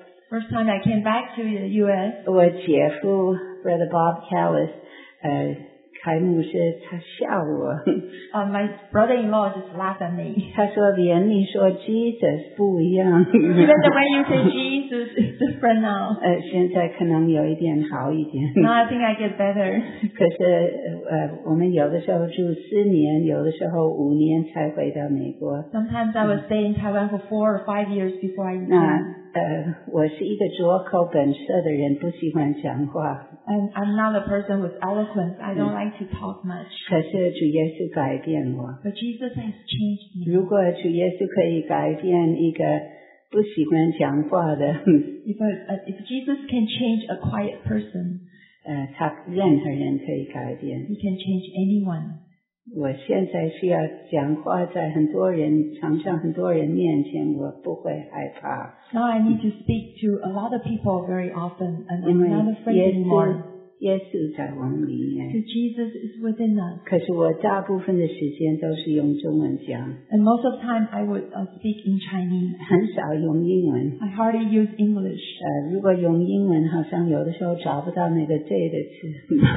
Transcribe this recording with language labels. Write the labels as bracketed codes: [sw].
[en] First time I came back to the US. [zh] 我姐夫 Brother Bob Callis, 开幕式他笑我。 [en] My brother-in-law just laughed at me. [zh] 他说连你说 Jesus 不一样。 [en] Even the way you say Jesus is different now. [zh] 现在可能有一点好一点。 [en] Now I think I get better. [zh] 可是我们有的时候住4年，有的时候5年才回到美国。 [en] Sometimes I would stay in Taiwan for 4 or 5 years before I came. [zh] 我是一个拙口本舌的人，不喜欢讲话。 [en] And I'm not a person with eloquence. I don't like to talk much. [zh] 可是主耶稣改变我。 [en] But Jesus has changed me. [zh] 如果主耶稣可以改变一个不喜欢讲话的。 [en] If Jesus can change a quiet person, [zh] 他任何人可以改变。 [en] He can change anyone. [zh] 我现在需要讲话在很多人，常常很多人面前，我不会害怕。 [en] Now I need to speak to a lot of people very often and I'm not afraid anymore. Because Jesus is within us. [zh] 可是我大部分的时间都是用中文讲。 [en] And most of the time I would speak in Chinese. [zh] 很少用英文。 [en] I hardly use English. [zh] 如果用英文好像有的时候找不到那个对的词。